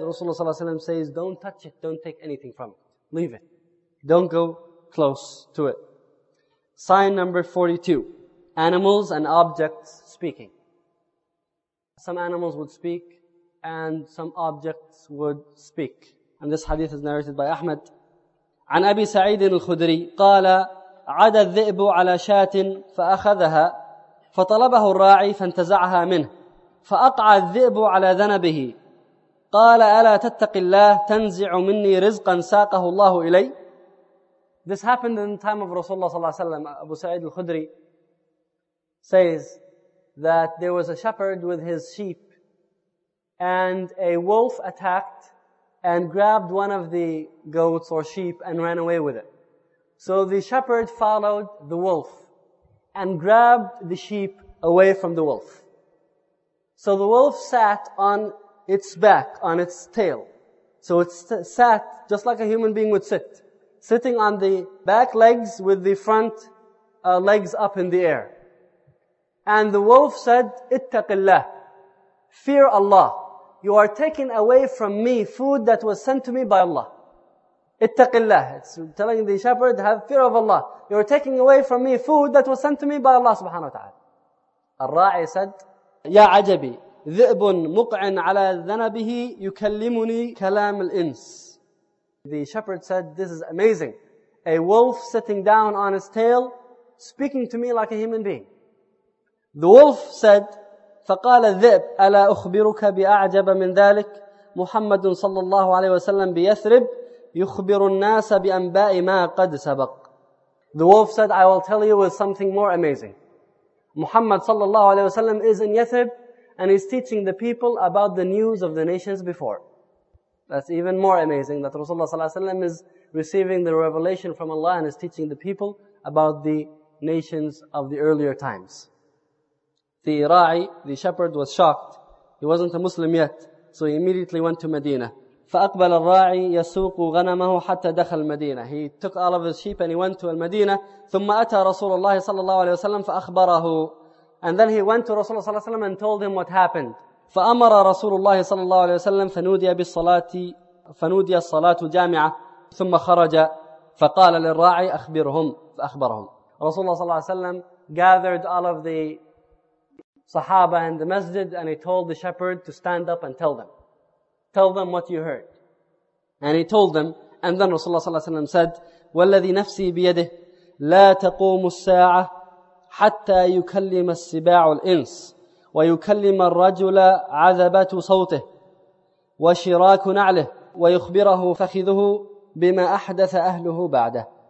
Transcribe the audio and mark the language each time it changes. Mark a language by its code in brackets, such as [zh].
[en] Rasulullah صلى الله عليه وسلم says, don't touch it. Don't take anything from it. Leave it. Don't go close to it. Sign number 42. Animals and objects speaking. Some animals would speak and some objects would speak. And this hadith is narrated by Ahmad. [ar] عن أبي سعيد الخدري قال عاد الذئب على شاة فأخذها فطلبه الراعي فانتزعها منه فأقع الذئب على ذنبه قال ألا تتق الله تنزع مني رزقا ساقه الله إلي. [en] This happened in the time of Rasulullah صلى الله عليه وسلم. Abu Sa'id al-Khudri says that there was a shepherd with his sheep and a wolf attacked and grabbed one of the goats or sheep and ran away with it. So the shepherd followed the wolf and grabbed the sheep away from the wolf. So the wolf sat on its back, on its tail. So it sat just like a human being would sit, sitting on the back legs with the front legs up in the air. And the wolf said, [ar] اتق الله, [en] fear Allah. You are taking away from me food that was sent to me by Allah. [ar] اتق الله. [en] It's telling the shepherd, have fear of Allah. You are taking away from me food that was sent to me by Allah subhanahu wa ta'ala. [ar] Al-Ra'i said, يا عجبي, ذئب مقع على ذنبه يكلمني كلام الإنس. [en] The shepherd said, this is amazing. A wolf sitting down on his tail, speaking to me like a human being. The wolf said, [ar] فقال الذئب ألا أخبرك بأعجب من ذلك محمد صلى الله عليه وسلم بيثرب يخبر الناس بأنباء ما قد سبق. [en] The wolf said, I will tell you with something more amazing. Muhammad صلى الله عليه وسلم is in Yathrib and he's teaching the people about the news of the nations before. That's even more amazing that Rasulullah صلى الله عليه وسلم is receiving the revelation from Allah and is teaching the people about the nations of the earlier times. The Ra'i, the shepherd, was shocked. He wasn't a Muslim yet. So he immediately went to Medina. [ar] فَأَقْبَلَ الرَّاعِي يَسُوقُ غَنَمَهُ حَتَّى دَخَلَ الْمَدِينَةِ. [en] He took all of his sheep and he went to Al-Madinah. [ar] ثُمَّ أَتَى رَسُولَ اللَّهِ صَلَّى اللَّهُ عَلَيْهِ وَسَلَّمَ فَأَخْبَرَهُ. [en] And then he went to Rasulullah صلى الله عليه وسلم and told him what happened. [ar] فَأَمَرَ رَسُولُ اللَّهِ صَلَّى اللَّهُ عَلَيْهِ وَسَلَّمَ فَنُودِيَ بِالصَّلَاةِ فَنُودِيَ الصَّلَاةُ جَامِعَةً ثُمَّ خَرَجَ فَقَالَ لِلرَّاعِي أَخْبِرْهُمْ فَأَخْبَرَهُمْ. رَسُولُ اللَّهِ صَلَّى اللَّهُ عَلَيْهِ وَسَلَّمَ [en] gathered all of the Sahaba in the masjid, and he told the shepherd to stand up and tell them. Tell them what you heard. And he told them, and then Rasulullah sallallahu alaihi wasallam said, [ar] وَالَّذِي نَفْسِي بِيَدِهِ لَا تَقُومُ السَّاعَةِ حَتَّى يُكَلِّمَ السِّبَاعُ الْإِنسِ وَيُكَلِّمَ الرَّجُلَ عَذَبَةُ صَوْتِهِ وَشِرَاكُ نَعْلِهِ وَيُخْبِرَهُ فَخِذُهُ بِمَا أَحْدَثَ أَهْلُهُ بَعْدَهُ.